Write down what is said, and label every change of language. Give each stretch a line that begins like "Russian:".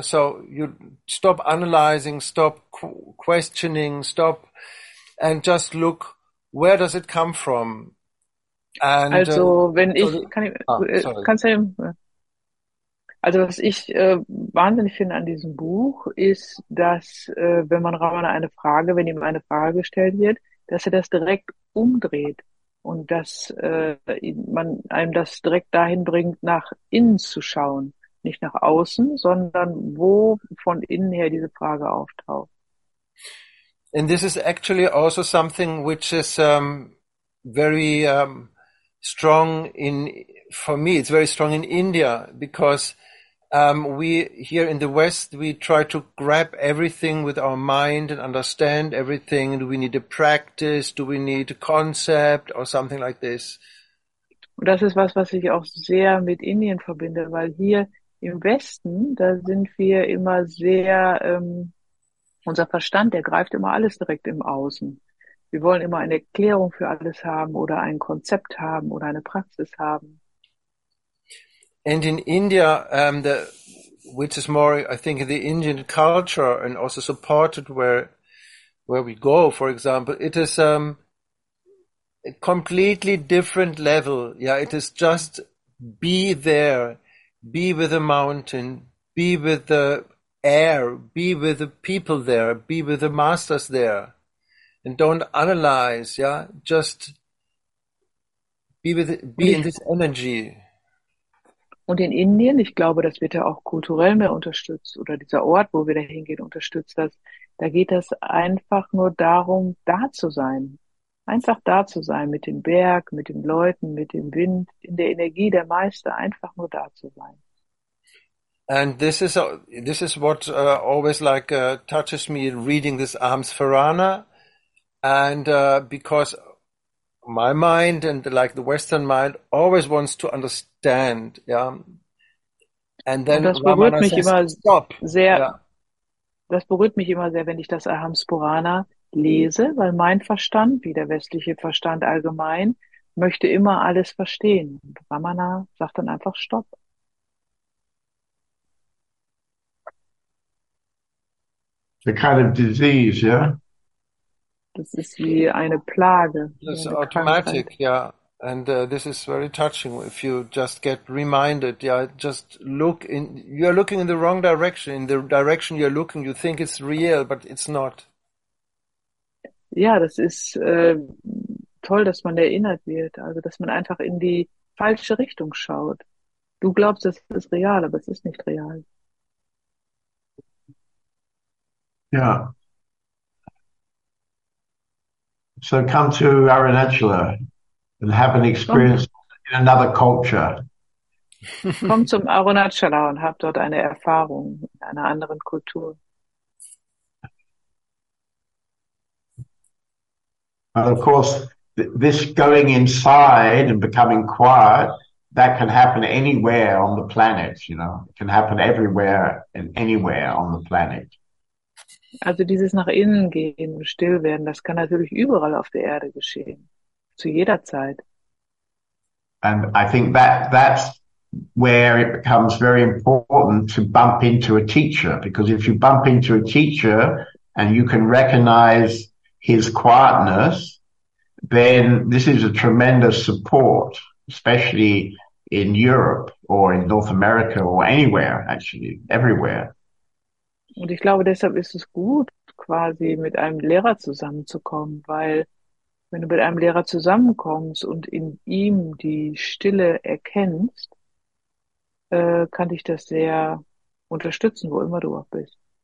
English: So you stop analyzing, stop questioning, stop and just look, where does it come from?
German: And, also wenn ich, kann ich kannst du, also was ich wahnsinnig finde an diesem Buch ist, dass wenn man Ramana eine Frage, wenn ihm eine Frage gestellt wird, dass er das direkt umdreht und dass man einem das direkt dahin bringt, nach innen zu schauen, nicht nach außen, sondern wo von innen her diese Frage auftaucht.
English: And this is actually also something which is strong in, for me, it's very strong in India, because we here in the West, we try to grab everything with our mind and understand everything. Do we need a practice? Do we need a concept or something like this?
German: Und das ist was ich auch sehr mit Indien verbinde, weil hier im Westen, da sind wir immer sehr, unser Verstand, der greift immer alles direkt im Außen. Wir wollen immer eine Erklärung für alles haben oder ein Konzept haben oder eine Praxis haben.
English: And in India, which is more, I think, the Indian culture and also supported where we go, for example, it is a completely different level. Yeah, it is just be there, be with the mountain, be with the air, be with the people there, be with the masters there. And don't analyze, yeah, just be in this energy.
German: Und in Indien, ich glaube, das wird ja auch kulturell mehr unterstützt oder dieser Ort, wo wir da hingehen, unterstützt das. Da geht das einfach nur darum, da zu sein. Einfach da zu sein mit dem Berg, mit den Leuten, mit dem Wind, in der Energie der Meister, einfach nur da zu sein.
English: And this is what always like touches me reading this Ahams Farana. And because my mind and like the Western mind always wants to understand, yeah. And then
German: das berührt mich immer stop. Sehr.
English: Yeah.
German: Das berührt mich immer sehr, wenn ich das Ahams Purana lese, weil mein Verstand, wie der westliche Verstand allgemein, möchte immer alles verstehen. Ramana sagt dann einfach Stopp.
English: The kind of disease, yeah.
German: Das ist wie eine Plage.
English: It's automatic, yeah. And this is very touching if you just get reminded. Yeah, just look in, you are looking in the wrong direction. In the direction you are looking, you think it's real, but it's not.
German: Ja, das ist toll, dass man erinnert wird. Also, dass man einfach in die falsche Richtung schaut. Du glaubst, es ist real, aber es ist nicht real. Ja.
English: So come to Arunachala and have an experience in another culture.
German: Komm zum Arunachala und hab dort eine Erfahrung in einer anderen Kultur.
English: And of course, this going inside and becoming quiet, that can happen anywhere on the planet, you know. It can happen everywhere and anywhere on the planet.
German: Also dieses nach innen gehen und still werden, das kann natürlich überall auf der Erde geschehen, zu jeder Zeit.
English: And I think that's where it becomes very important to bump into a teacher, because if you bump into a teacher and you can recognize his quietness, then this is a tremendous support, especially in Europe or in North America or anywhere, actually, everywhere.
German: Und ich glaube, deshalb ist es gut, quasi mit einem Lehrer zusammenzukommen, weil wenn du mit einem Lehrer zusammenkommst und in ihm die Stille erkennst, kann dich das sehr unterstützen, wo immer du auch bist.